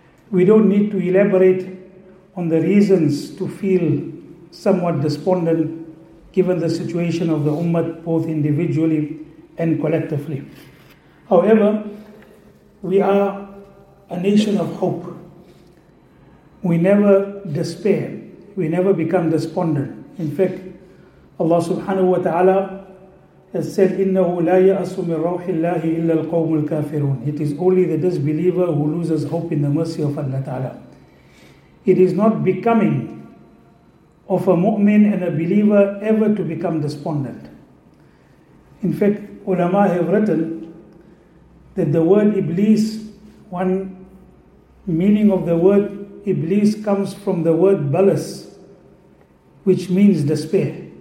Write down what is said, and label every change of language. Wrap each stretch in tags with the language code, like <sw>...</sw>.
<en>We don't need to elaborate on the reasons to feel somewhat despondent given the situation of the Ummah, both individually and collectively. However, we are a nation of hope. We never despair. We never become despondent. In fact, Allah subhanahu wa ta'ala has said,</en> <ar>إِنَّهُ لَا يَأَسُ مِنْ رَوْحِ اللَّهِ إِلَّا الْقَوْمُ الْكَافِرُونَ.</ar> <en>It is only the disbeliever who loses hope in the mercy of Allah Ta'ala. It is not becoming of a mu'min and a believer ever to become despondent. In fact, ulama have written that the word Iblis, one meaning of the word Iblis comes from the word balas, which means despair.</en>